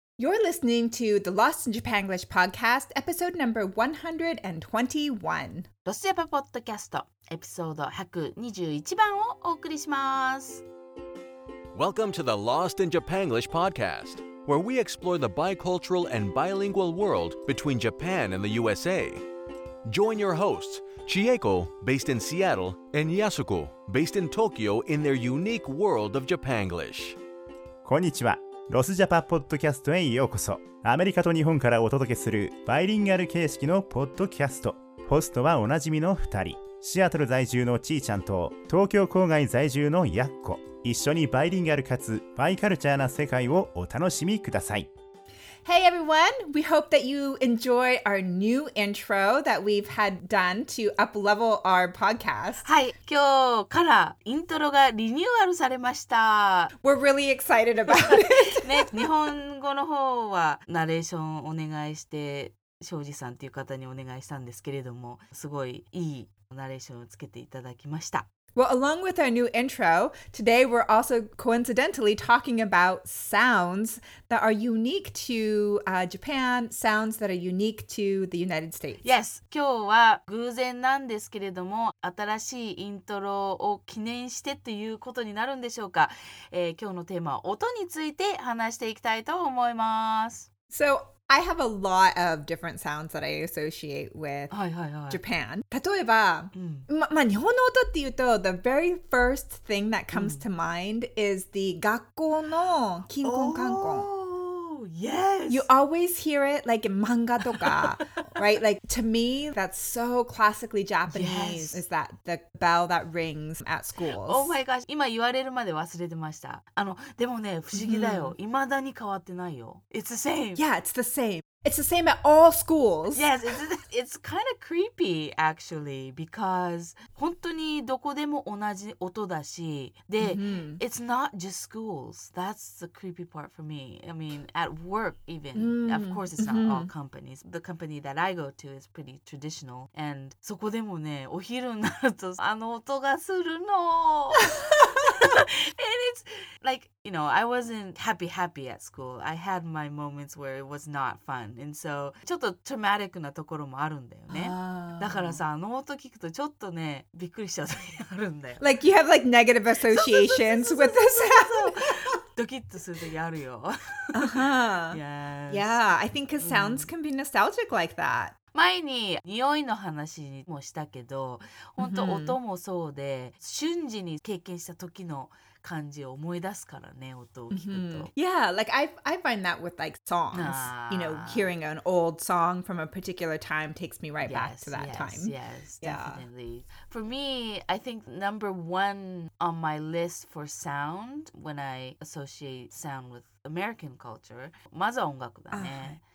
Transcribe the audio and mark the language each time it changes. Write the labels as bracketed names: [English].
[English] You're listening to the Lost in Japanglish podcast, episode number 121. [Japanese] ロシアパポッドキャスト、エピソード121番をお送りします。 [English] Welcome to the Lost in Japanglish podcast, where we explore the bicultural and bilingual world between Japan and the USA. Join your hosts, Chieko, based in Seattle, and Yasuko, based in Tokyo, in their unique world of Japanglish. [Japanese] こんにちは。ロスジャパポッドキャストへようこそ。アメリカと日本からお届けするバイリンガル形式のポッドキャスト。ホストはおなじみの2人、シアトル在住のちーちゃんと東京郊外在住のやっこ。一緒にバイリンガルかつバイカルチャーな世界をお楽しみください。 [English] Hey everyone, we hope that you enjoy our new intro that we've had done to up level our podcast. [Japanese] はい、今日からイントロがリニューアルされました。 [English] We're really excited about it. 、 [Japanese] ね、日本語の方はナレーションお願いして庄司さんという方にお願いしたんですけれども、すごいいいナレーションをつけていただきました。 [English] Well, along with our new intro, today we're also coincidentally talking about sounds that are unique to Japan, sounds that are unique to the United States. [Japanese] Yes, 今日は偶然なんですけれども、新しいイントロを記念してということになるんでしょうか。今日のテーマは音について話していきたいと思います。 [English] So,I have a lot of different sounds that I associate with Japan. [Japanese] 例えば、日本の音っていうと、 [English] the very first thing that comes to mind is the [Japanese] 学校のキンコンカンコン。 [English] Yes. You always hear it like in manga toka, right? Like to me, that's so classically Japanese. Yes. Is that the bell that rings at schools? Oh my gosh! [Japanese] 今言われるまで忘れてました。でもね、不思議だよ。未だに変わってないよ。 [English] It's the same. Yeah, it's the same. It's the same at all schools. Yes, it's kind of creepy actually because [Japanese] 本当にどこでも同じ音だし、で、 [English] it's not just schools. That's the creepy part for me. I mean, at work even. Of course, it's not all companies. The company that I go to is pretty traditional. [Japanese] And そこでもね、お昼になるとあの音がするの。 [English] And it's like, you know, I wasn't happy at school. I had my moments where it was not fun. And so, [Japanese] ちょっとトラマティックなところもあるんだよね。だからさ、あの音聞くとちょっとね、びっくりしちゃうときあるんだよ。 [English] Like you have like negative associations with the sound. [Japanese] ドキッとするときあるよ。 [English] Yeah, I think because sounds can be nostalgic like that. [Japanese] 前に匂いの話もしたけど、本当音もそうで、瞬時に経験した時の感じを思い出すからね、音を聞くと。 [English] Yeah, like I find that with like songs. You know, hearing an old song from a particular time takes me right back to that time. Yes, definitely. For me, I think number one on my list for sound, when I associate sound with American culture, [Japanese] まずは音楽だね。